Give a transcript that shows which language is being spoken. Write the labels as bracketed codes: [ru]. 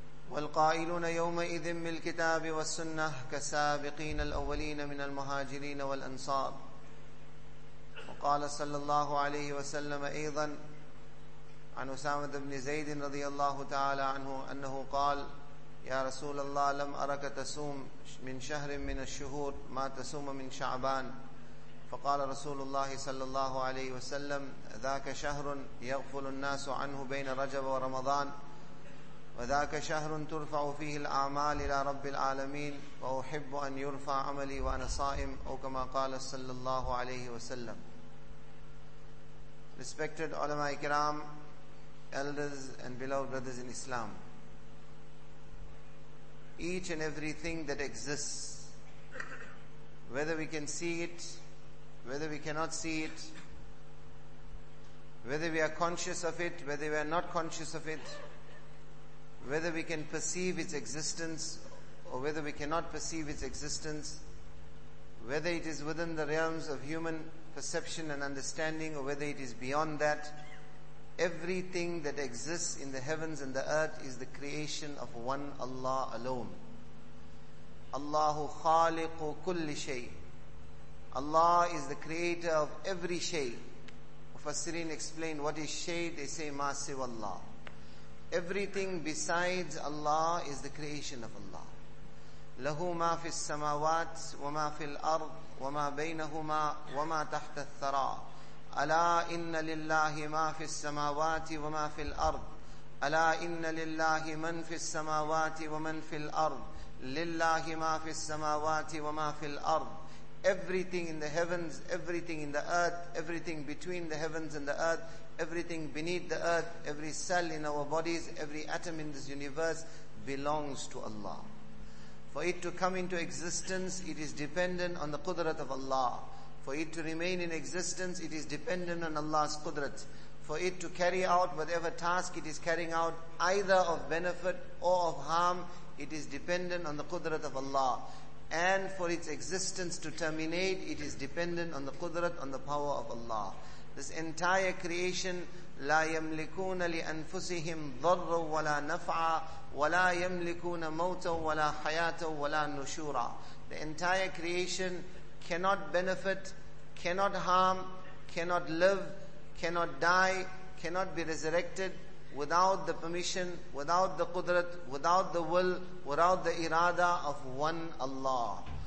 [ar] والقائلون يومئذ بالكتاب والسنة كسابقين الأولين من المهاجرين والأنصار وقال صلى الله عليه وسلم أيضا عن أسامة بن زيد رضي الله تعالى عنه أنه قال يا رسول الله لم أرك تصوم من شهر من الشهور ما تصوم من شعبان فقال رسول الله صلى الله عليه وسلم ذاك شهر يغفل الناس عنه بين رجب ورمضان وذاك شهر ترفع فيه الأعمال إلى رب العالمين وأحب أن يرفع عملي وأنا صائم أو كما قال صلى الله عليه وسلم. [en] Respected ulama ikram, elders and beloved brothers in Islam, each and everything that exists, whether we can see it, whether we cannot see it, whether we are conscious of it, whether we are not conscious of it, whether we can perceive its existence or whether we cannot perceive its existence, whether it is within the realms of human perception and understanding or whether it is beyond that, everything that exists in the heavens and the earth is the creation of one Allah alone. [ar] Allahu khaliqu kulli shay. [en] Allah is the creator of every shay. Mufassirin explain what is shay, they say [ar] ma siwallah. [en] Everything besides Allah is the creation of Allah. [ar] لَهُ مَا فِي السَّمَاوَاتِ وَمَا فِي الْأَرْضِ وَمَا بَيْنَهُمَا وَمَا تَحْتَ الثَّرَى أَلَا إِنَّ لِلَّهِ مَا فِي السَّمَاوَاتِ وَمَا فِي الْأَرْضِ أَلَا إِنَّ لِلَّهِ مَنْ فِي السَّمَاوَاتِ وَمَنْ فِي الْأَرْضِ لِلَّهِ مَا فِي السَّمَاوَاتِ وَمَا فِي الْأَرْضِ [en] Everything in the heavens, everything in the earth, everything between the heavens and the earth, everything beneath the earth, every cell in our bodies, every atom in this universe belongs to Allah. For it to come into existence, it is dependent on the qudrat of Allah. For it to remain in existence, it is dependent on Allah's qudrat. For it to carry out whatever task it is carrying out, either of benefit or of harm, it is dependent on the qudrat of Allah. And for its existence to terminate, it is dependent on the qudrat, on the power of Allah. This entire creation, [ar] لا يملكون لأنفسهم ضر ولا نفع ولا يملكون موت ولا حياة ولا نشورا. [en] The entire creation cannot benefit, cannot harm, cannot live, cannot die, cannot be resurrected. without the permission, without the qudrat, without the will, without the irada of one Allah.